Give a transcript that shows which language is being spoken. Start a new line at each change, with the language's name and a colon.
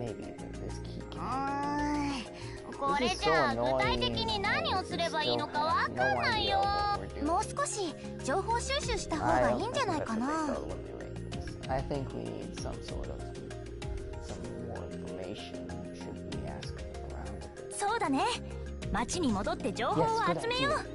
Japanese: これじゃあ具体的に何をすればいいのかわかんないよ。もう少し情報収集した方がいいんじゃないかな。
English: I think we need some sort of some more information. Should we ask around?
Japanese: そうだね。町に戻って情報を集めよう。